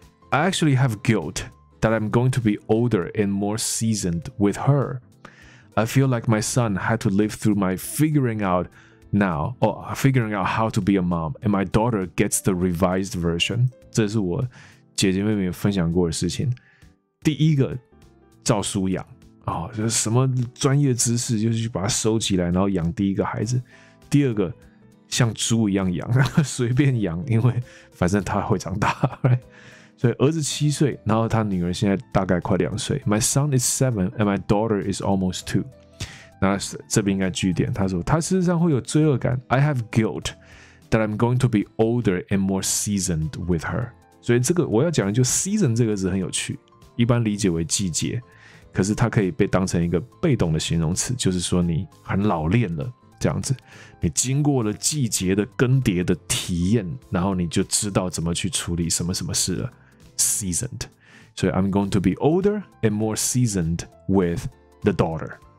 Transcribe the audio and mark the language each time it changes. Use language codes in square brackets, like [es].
[en] I actually have guilt that I'm going to be older and more seasoned with her. I feel like my son had to live through my figuring out how to be a mom, and my daughter gets the revised version. [zh] 这是我姐姐妹妹分享过的事情。第一个照书养、哦、就是什么专业知识就是去把它收起来，然后养第一个孩子。第二个像猪一样养，随便养，因为反正他会长大。所以儿子七岁，然后他女儿现在大概快两岁。 [en] My son is 7 and my daughter is almost 2. [zh] 那这边应该句点，他说他事实上会有罪恶感。 [en] I have guilt that I'm going to be older and more seasoned with her. [zh] 所以这个我要讲的就 season 这个字很有趣，一般理解为季节，可是它可以被当成一个被动的形容词，就是说你很老练了。这样子你经过了季节的更迭的体验，然后你就知道怎么去处理什么什么事了。 [en] Seasoned. So I'm going to be older and more seasoned with the daughter.